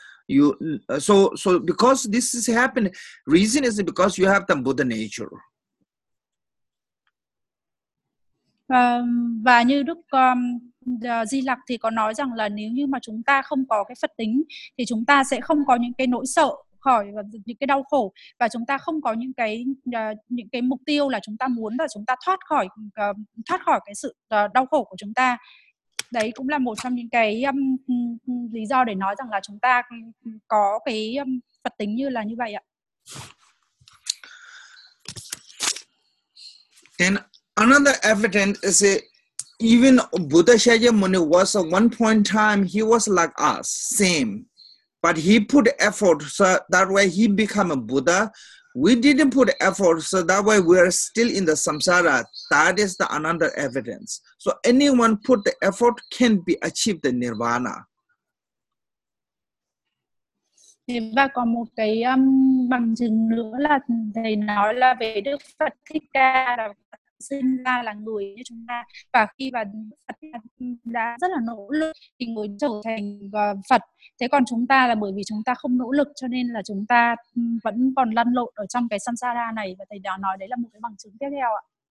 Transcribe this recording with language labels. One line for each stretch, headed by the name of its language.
English: You so because this is happened, reason is because you have the Buddha nature.
Vietnamese: Và như Đức Di Lặc thì có nói rằng là nếu như mà chúng ta không có cái Phật tính thì chúng ta sẽ không có những cái nỗi sợ khỏi những cái đau khổ, và chúng ta không có những cái mục tiêu là chúng ta muốn là chúng ta thoát khỏi cái sự đau khổ của chúng ta. Đấy cũng là một trong những cái lý do để nói rằng là chúng ta có cái Phật tính như là như vậy ạ.
English: And another evidence is it even Buddha Shakyamuni was at one point in time, he was like us, same. But he put effort so that way he became a Buddha We didn't put effort, so that way we are still in the samsara. That is the ananda evidence. So anyone put the effort can be achieved the nirvana.
Vietnamese: Và còn một cái bằng chứng nữa là thầy nói là về Đức Phật Thích Ca là sinh ra là người như chúng ta, và khi mà Phật đã rất là nỗ lực thì mới trở thành Phật. Thế còn chúng ta là bởi vì chúng ta không nỗ lực cho nên là chúng ta vẫn còn lăn lộn ở trong cái samsara này, và thầy đã nói đấy là một cái bằng chứng tiếp theo ạ.